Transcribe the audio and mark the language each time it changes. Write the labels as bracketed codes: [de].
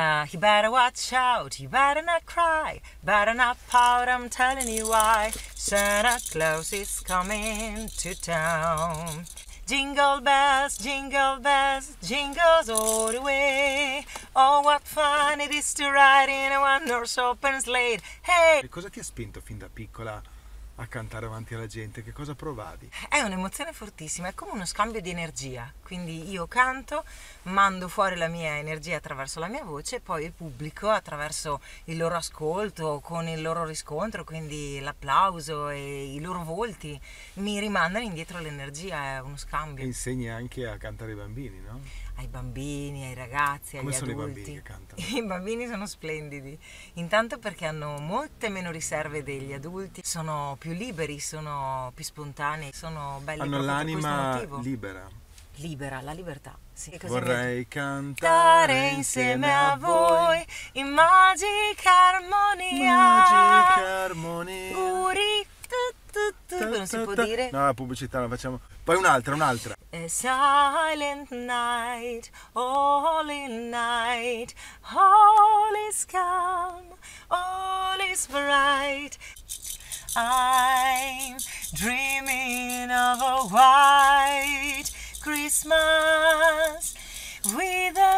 [en] You better watch out, you better not cry. Better not pout, I'm telling you why. Santa Claus is coming to town. Jingle bells, jingles all the way. Oh, what fun it is to ride in a one-horse open sleigh. Hey! [it] E cosa ti ha spinto fin da piccola a cantare davanti alla gente? Che cosa provavi? È un'emozione fortissima, è come uno scambio di energia. Quindi io canto, mando fuori la mia energia attraverso la mia voce, poi il pubblico attraverso il loro ascolto, con il loro riscontro, quindi l'applauso e i loro volti, mi rimandano indietro l'energia, è uno scambio. E insegni anche a cantare ai bambini, no? Ai bambini, ai ragazzi, come agli adulti. Come sono i bambini che cantano? I bambini sono splendidi. Intanto perché hanno molte meno riserve degli adulti, sono più liberi, sono più spontanei, sono belli. Hanno proprio l'anima per questo motivo. Libera. Libera, la libertà. Sì, così vorrei cantare insieme a voi in magica armonia. Magica armonia. Uri. Non si può dire. No, pubblicità non facciamo. Poi un'altra. [en] A silent night, holy night, all is calm, all is bright. I'm dreaming of a white Christmas with every